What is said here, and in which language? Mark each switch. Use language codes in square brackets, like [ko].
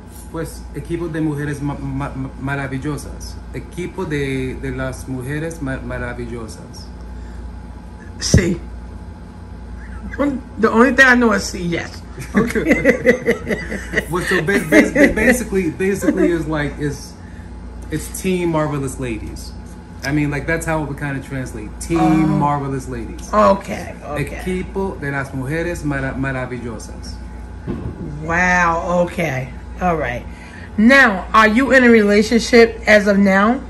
[es] Pues, equipo de mujeres maravillosas. Equipo de las mujeres maravillosas. Sí. [en] The only thing I know is sí, yes. Okay. Well, so basically is like it's team marvelous ladies. I mean, like, that's how it would kind of translate. Team marvelous ladies. Okay. [es] Equipo de las mujeres maravillosas. [en] Wow. Okay. All right. Now, are you in a relationship as of now?